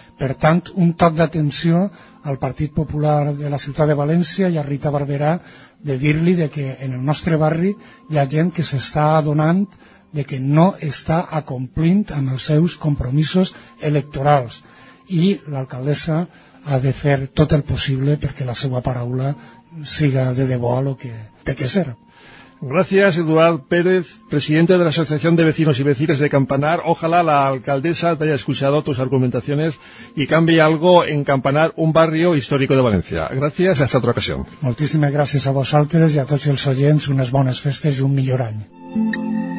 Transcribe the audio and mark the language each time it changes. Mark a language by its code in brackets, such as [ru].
[ca] Per tant, un toc d'atenció al Partit Popular de la ciutat de València i a Rita Barberà de dir-li de que en el nostre barri hi ha gent que s'està adonant de que no està acomplint amb els seus compromisos electorals. I l'alcaldessa ha de fer tot el possible perquè la seva paraula siga de debò el que té que ser. [es] Gràcies, Eduard Pérez, presidente de la Asociación de Vecinos y Vecinas de Campanar. Ojalá la alcaldesa te haya escuchado tus argumentaciones y cambie algo en Campanar, un barrio histórico de Valencia. Gracias, hasta otra ocasión. [ca] Moltíssimes gràcies a vosaltres i a tots els oients. Unes bones festes i un millor any.